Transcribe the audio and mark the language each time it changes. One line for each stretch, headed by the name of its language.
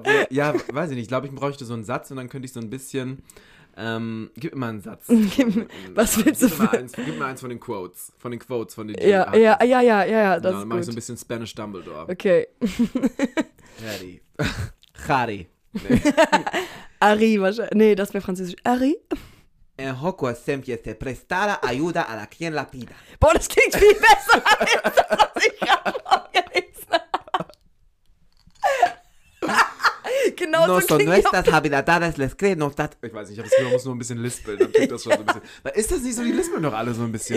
German: Ja, weiß ich nicht, ich glaube, ich bräuchte so einen Satz und dann könnte ich so ein bisschen, gib mir mal einen Satz. Was willst du für? Gib mir eins von den Quotes, von den Ja, genau, das ist gut. Dann mache ich so ein bisschen Spanish Dumbledore. Okay.
English: Ready. Harry.
German: Nee. Ari, wahrscheinlich. Nee, das wäre Französisch. Ari?
Spanish: En Hogwarts siempre se prestará ayuda a la quien la pida.
German: Boah, das klingt viel besser als das, was ich gerade vorgelesen habe. Genau so klingt das. Ich weiß nicht, ich muss nur ein bisschen lispeln. Dann klingt das schon so ein bisschen. Ist das nicht so, die lispeln doch alle so ein bisschen?